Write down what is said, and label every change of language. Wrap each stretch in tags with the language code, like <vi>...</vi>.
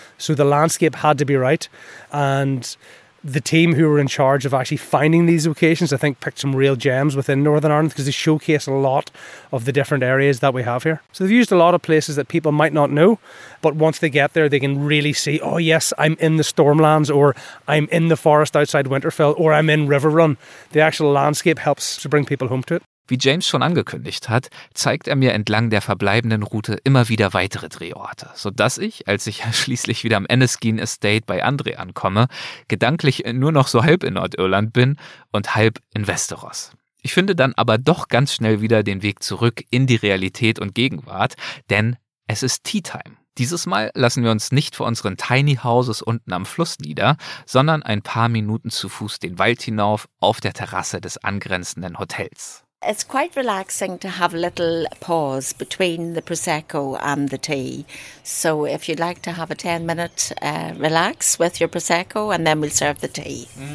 <en>So the landscape had to be right. And the team who were in charge of actually finding these locations, I think, picked some real gems within Northern Ireland because they showcase a lot of the different areas that we have here. So they've used a lot of places that people might not know, but once they get there, they can really see, oh yes, I'm in the Stormlands, or I'm in the forest outside Winterfell, or I'm in River Run. The actual landscape helps to bring people home to it.</en> <de>Wie James schon angekündigt hat, zeigt er mir entlang der verbleibenden Route immer wieder weitere Drehorte, sodass ich, als ich schließlich wieder am Enniskeen Estate bei André ankomme, gedanklich nur noch so halb in Nordirland bin und halb in Westeros. Ich finde dann aber doch ganz schnell wieder den Weg zurück in die Realität und Gegenwart, denn es ist Tea Time. Dieses Mal lassen wir uns nicht vor unseren Tiny Houses unten am Fluss nieder, sondern ein paar Minuten zu Fuß den Wald hinauf auf der Terrasse des angrenzenden Hotels.</de> <en>It's quite relaxing to have a little pause between the Prosecco and the tea. So if you'd like to have a 10-minute relax with your Prosecco and then we'll serve the tea.</en>